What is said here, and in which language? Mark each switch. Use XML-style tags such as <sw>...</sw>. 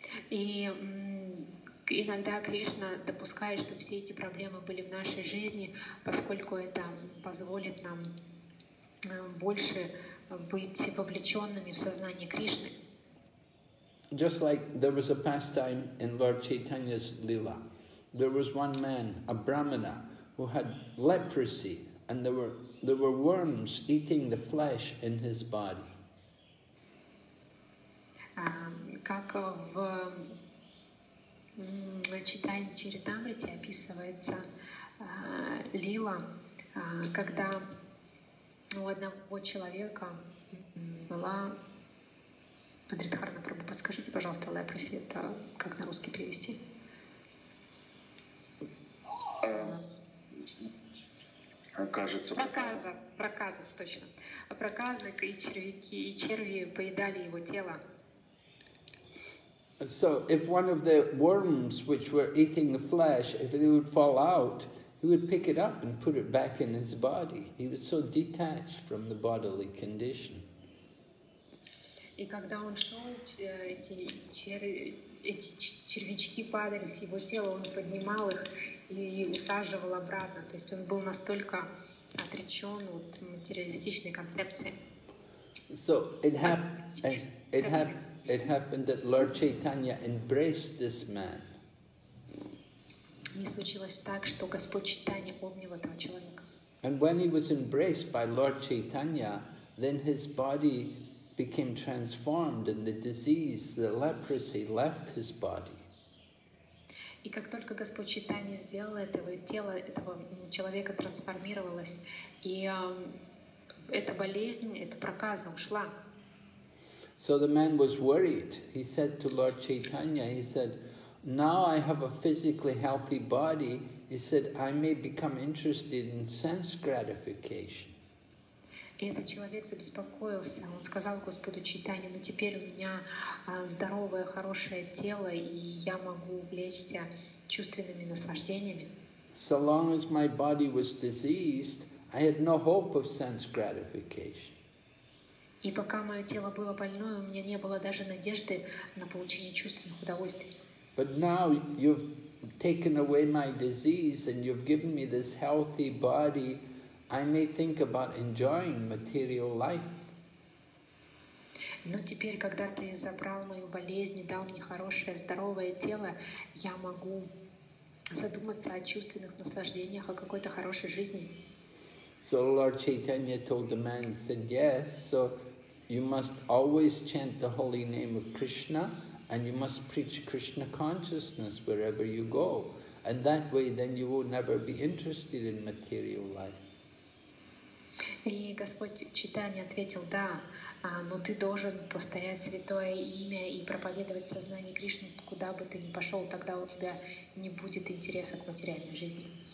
<ru>И иногда Кришна допускает, что все эти проблемы были в нашей жизни, поскольку это позволит нам больше быть вовлеченными в сознание Кришны.</ru> <en>Just like there was a pastime in Lord Chaitanya's Lila, there was one man, a Brahmana, who had leprosy, and there were worms eating the flesh in his body.</en> <ru>Как в Чайтанья Чаритамрите описывается Лила, когда у одного человека была Адридхарна Прабху, подскажите, пожалуйста, лепроси, это как на русский перевести? Кажется, проказа, проказа, точно. Проказы и червяки, и черви поедали его тело.</ru> <en>So if one of the worms which were eating the flesh, if it would fall out, he would pick it up and put it back in his body. He was so detached from the bodily condition.</en> <ru>И когда он шел, эти червячки падали с его тела, он поднимал их и усаживал обратно. То есть он был настолько отречен от материалистичной концепции.</ru> <en>So it happened that Lord Chaitanya embraced this man.</en> <ru>И случилось так, что Господь Чайтанья обнял этого человека.</ru> <en>And when he was embraced by Lord Chaitanya, then his body became transformed, and the disease, the leprosy, left his body.</en> <ru>И как только Господь Чайтанья сделал этого, тело этого человека трансформировалось, и эта болезнь, эта проказа ушла.</ru> <en>So the man was worried. He said to Lord Chaitanya, he said, now I have a physically healthy body. He said, I may become interested in sense gratification.</en> <ru>И этот человек забеспокоился. Он сказал Господу Чайтанье, но теперь у меня здоровое, хорошее тело, и я могу увлечься чувственными наслаждениями.</ru> <en>So long as my body was diseased, I had no hope of sense gratification.</en> <ru>И пока мое тело было больное, у меня не было даже надежды на получение чувственных удовольствий.</ru> <en>But now you've taken away my disease and you've given me this healthy body, I may think about enjoying material life.</en> <ru>Но теперь, когда ты забрал мою болезнь и дал мне хорошее, здоровое тело, я могу задуматься о чувственных наслаждениях, о какой-то хорошей жизни.</ru> <en>So Lord Chaitanya told the man, he said, yes, so you must always chant the holy name of Krishna and you must preach Krishna consciousness wherever you go. And that way then you will never be interested in material life.</en> <ru>И Господь Чайтанья ответил, да, но ты должен повторять святое имя и проповедовать сознание Кришны, куда бы ты ни пошел, тогда у тебя не будет интереса к материальной жизни.</ru>